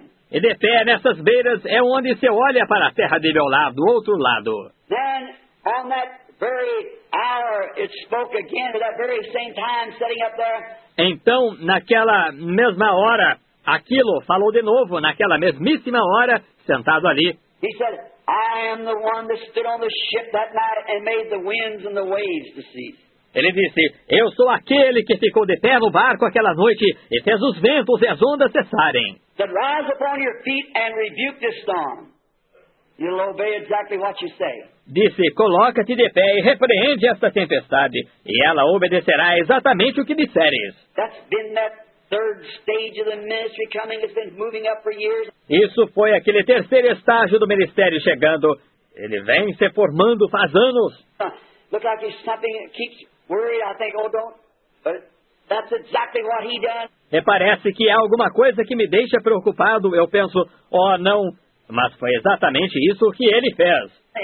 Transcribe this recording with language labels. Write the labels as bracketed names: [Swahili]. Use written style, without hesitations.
[Portuguese] E de pé nessas beiras é onde você olha para a terra de Beulah, do outro lado. [English] Then, on that very hour, it spoke again at that very same time, sitting up there. [Portuguese] Então, naquela mesma hora, aquilo falou de novo, naquela mesmíssima hora, sentado ali. [English] He said, I am the one that stood on the ship that night and made the winds and the waves to cease. [Portuguese] Ele disse, eu sou aquele que ficou de pé no barco aquela noite e fez os ventos e as ondas cessarem. [English] Said, rise upon your feet and rebuke this storm. You'll obey exactly what you say. [Portuguese] Disse, coloca-te de pé e repreende esta tempestade, e ela obedecerá exatamente o que disseres. [English] That's been that third stage of the ministry coming. It's been moving up for years. [Portuguese] Isso foi aquele terceiro estágio do ministério chegando. Ele vem se formando faz anos. [English] Look like he's something that keeps worried. I think, oh, don't. But that's exactly what he does. [Portuguese] E parece que é alguma coisa que me deixa preocupado. Eu penso, oh, não. Mas foi exatamente isso que ele fez.